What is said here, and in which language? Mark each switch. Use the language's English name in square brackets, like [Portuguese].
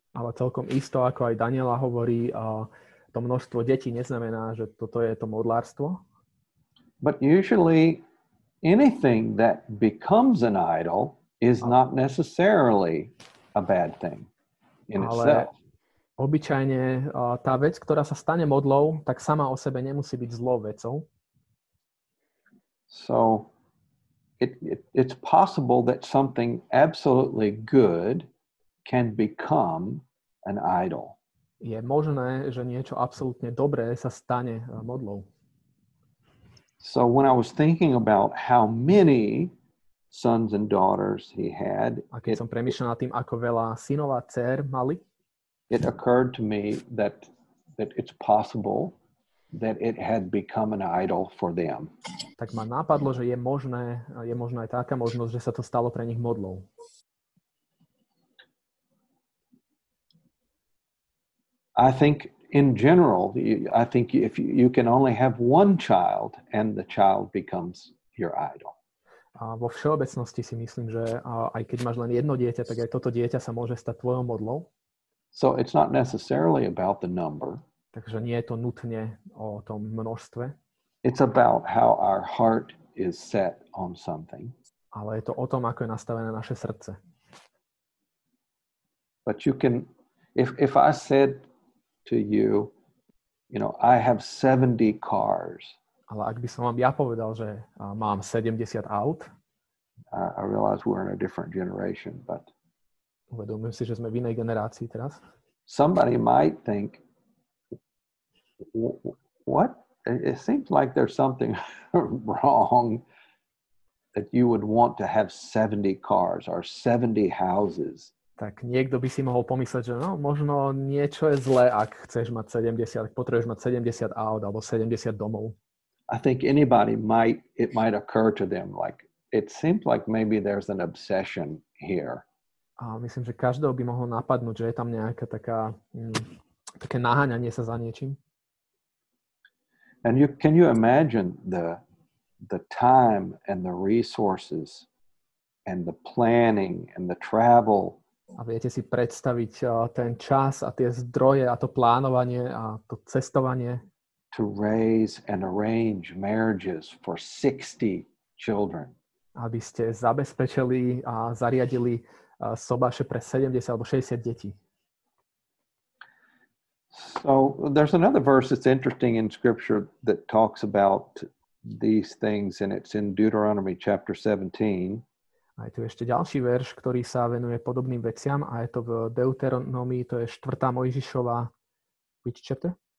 [Slovak] Ale celkom isto, ako aj Daniela hovorí, to množstvo detí neznamená, že toto je to modlárstvo. [English] But usually anything that becomes an idol is not necessarily a bad thing in itself. [Slovak] Ale obyčajne tá vec, ktorá sa stane modlou, tak sama o sebe nemusí byť zlou vecou. [English] So it's possible that something absolutely good can become an idol. [Slovak] Je možné, že niečo absolútne dobré sa stane modlou. [English] So when I was thinking about how many sons and daughters he had, [Slovak] a keď som premýšľal nad tým, ako veľa synov a dcér mali, [English] it occurred to me that it's possible that it had become an idol for them. [Slovak] Tak ma napadlo, že je možná aj taká možnosť, že sa to stalo pre nich modlou. [English] I think in general, I think if you can only have one child and the child becomes your idol. [Slovak] A vo všeobecnosti si myslím, že aj keď máš len jedno dieťa, tak aj toto dieťa sa môže stať tvojou modlou. [English] So it's not necessarily about the number. [Slovak] Takže nie je to nutne o tom množstve. [English] It's about how our heart is set on something. [Slovak] Ale je to o tom, ako je nastavené naše srdce. [English] But you can, if I said to you, you know, I have 70 cars. [Slovak] Ale ak by som vám ja povedal, že mám 70 aut. [English] I realize we're in a different generation, but [Slovak] uvedomím si, že sme v inej generácii teraz. [English] Somebody might think, what? It seems like there's something wrong that you would want to have 70 cars or 70 houses. [Slovak] Tak niekto by si mohol pomyslieť, že no, možno niečo je zlé, ak chceš mať 70, ak potrebuješ mať 70 aut alebo 70 domov. [English] I think anybody might, it might occur to them, like, it seems like maybe there's an obsession here. [Slovak] A myslím, že každého by mohlo napadnúť, že je tam nejaká taká, také naháňanie sa za niečím. [English] And can you imagine the time and the resources and the planning and the travel? [Slovak] A viete si predstaviť ten čas a tie zdroje a to plánovanie a to cestovanie? [English] To raise and arrange marriages for 60 children. [Slovak] Aby ste zabezpečili a zariadili sobaše pre 70 alebo 60 detí. [English] So there's another verse that's interesting in scripture that talks about these things, and it's in Deuteronomy chapter 17. [Slovak] A je tu ešte ďalší verš, ktorý sa venuje podobným veciam, a je to v Deuteronomii, to je 4. [English] Mojžišova, which chapter?